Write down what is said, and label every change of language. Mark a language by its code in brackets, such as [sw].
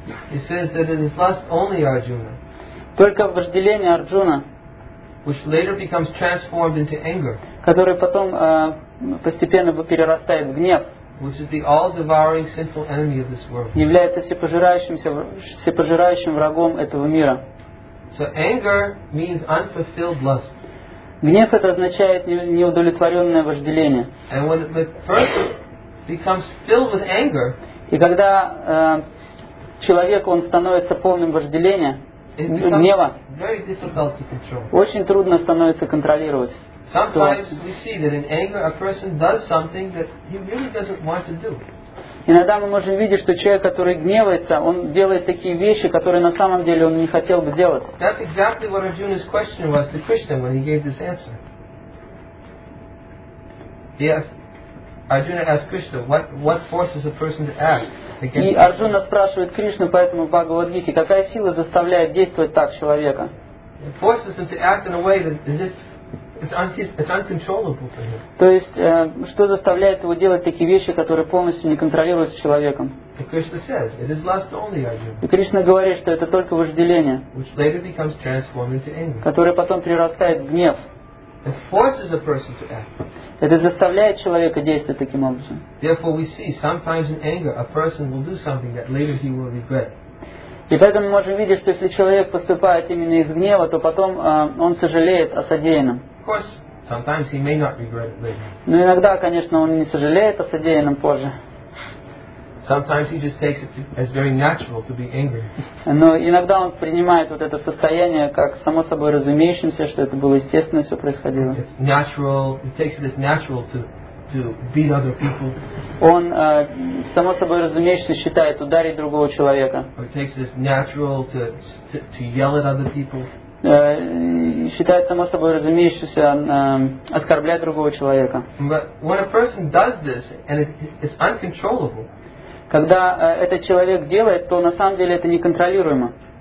[en] He says that it is lust only Arjuna. [ru] Только вожделение Арджуна, [en] which later becomes transformed into anger. [ru] Который потом постепенно перерастает в гнев. [en] Which is the all-devouring sinful enemy of this world. [ru] Является всепожирающим врагом этого мира. [en] So anger means unfulfilled lust. [ru] Гнев это означает неудовлетворенное вожделение. [en] And when the person becomes filled with anger. [ru] И когда человек он становится полным вожделения, гнева, [en] very difficult to control. [ru] Очень трудно становится контролировать. [en] Sometimes we see that in anger a person does something that he really doesn't want to do. [ru] Иногда мы можем видеть, что человек, который гневается, он делает такие вещи, которые на самом деле он не хотел бы делать. [en] That's exactly what Arjuna's question was to Krishna when he gave this answer. Yes, Arjuna asked Krishna, what forces a person to act? [ru] И Арджуна спрашивает Кришну по этому Бхагавад-гите, какая сила заставляет действовать так человека? [en] It forces him to act in a way that is it. It's uncontrollable for him. [ru] То есть, что заставляет его делать такие вещи, которые полностью не контролируются человеком? [en] Krishna says, it is lust only, Arjuna. [ru] И Кришна говорит, что это только вожделение, [en] which later becomes transformed into anger. [ru] Которое потом прерастает в гнев. [en] It forces a person to act. [ru] Это заставляет человека действовать таким образом. [en] Therefore, we see sometimes in anger a person will do something that later he will regret. [ru] И поэтому мы можем видеть, что если человек поступает именно из гнева, то потом он сожалеет о содеянном. [en] Of course, sometimes he may not regret it later. [ru] Но иногда, конечно, он не сожалеет о содеянном позже. [en] Sometimes he just takes it as very natural to be angry. [ru] Но иногда он принимает вот это состояние как само собой разумеющимся, что это было естественно, все происходило. [en] It's natural, he takes it as natural to beat other people. [ru] Он само собой разумеющимся считает ударить другого человека. [en] Or it takes it as natural to yell at other people. [ru] Считает само собой разумеющимся оскорблять другого человека. [en] But when a person does this and it's uncontrollable. [ru] Когда этот человек делает, то на самом деле это неконтролируемо.